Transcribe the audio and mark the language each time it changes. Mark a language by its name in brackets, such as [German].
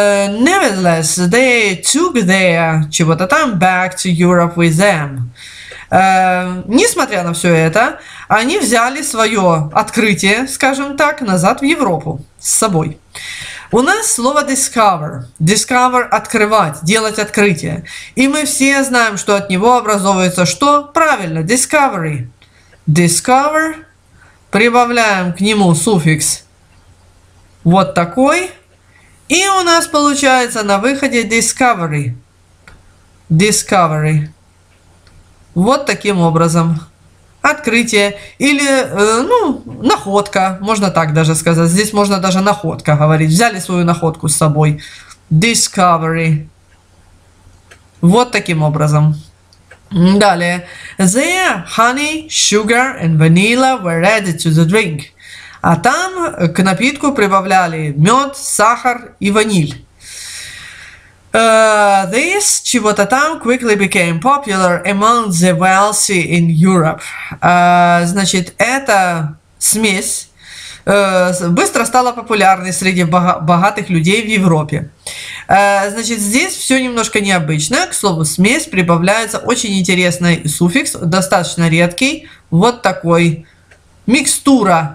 [English] Nevertheless, they took their [Russian] чего-то там [English] back to Europe with them. [Russian] Несмотря на все это, они взяли свое открытие, скажем так, назад в Европу с собой. У нас слово discover. Discover – открывать, делать открытие. И мы все знаем, что от него образовывается что? Правильно, discovery. Discover. Прибавляем к нему суффикс вот такой. И у нас получается на выходе discovery. Discovery. Вот таким образом. Открытие или, ну, находка, можно так даже сказать. Здесь можно даже находка говорить. Взяли свою находку с собой. Discovery. Вот таким образом. Далее. [English] There, honey, sugar and vanilla were added to the drink. [Russian] А там к напитку прибавляли мед, сахар и ваниль. [English] This [Russian] чего-то там [English] quickly became popular among the wealthy in Europe. [Russian] Значит, эта смесь быстро стала популярной среди богатых людей в Европе. Значит, здесь все немножко необычно. К слову, смесь прибавляется очень интересный суффикс, достаточно редкий. Вот такой. Микстура.